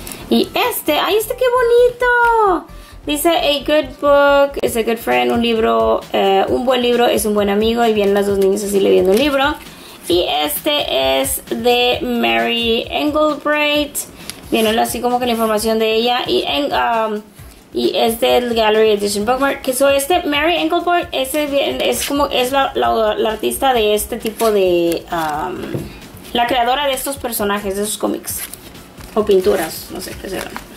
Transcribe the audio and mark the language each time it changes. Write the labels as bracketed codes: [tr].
[es] Y este, ¡ay, este qué bonito! Dice, [en] a good book is a good friend. [es] Un libro, un buen libro es un buen amigo. Y vienen las dos niñas así leyendo un libro. Y este es de Mary Engelbreit. Viene así como que la información de ella. Y en... y es del Gallery Edition Bookmark. Que so este Mary Engelbreit es como es la artista de este tipo de la creadora de estos personajes, de esos cómics o pinturas, no sé qué será.